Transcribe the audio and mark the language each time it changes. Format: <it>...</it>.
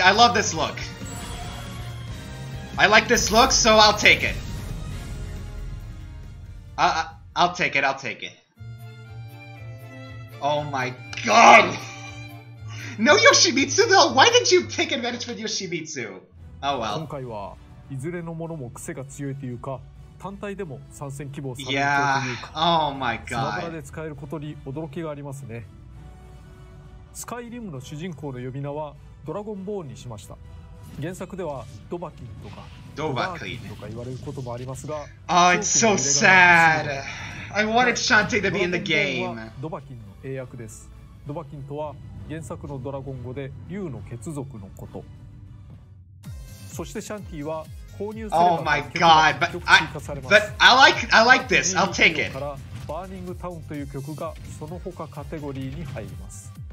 <en>I like this look, so I'll take it. I'll take it. Oh my god! No Yoshimitsu though, why didn't you take advantage with Yoshimitsu? Oh well.</en> <ja>今回はいずれのものも癖が強いというか単体でも参戦希望されているというか、</ja> <en>Oh my God、</en> <ja>スマブラで使えることに驚きがありますね。スカイリムの主人公の呼び名はドラゴンボーンにしました。原作ではドバキンとかドバクイとか言われることもありますが、</ja> <en>Oh, it's so sad. I wanted Shantae to be in the game.</en> <ja>ドバキンの英訳です。ドバキンとは原作のドラゴン語で竜の血族のこと。そしてシャンティは。</ja> <en>Oh my god, but I like this. I'll take it.</en> <ja>Burning Town という曲がその他カテゴリーに入ります。</ja>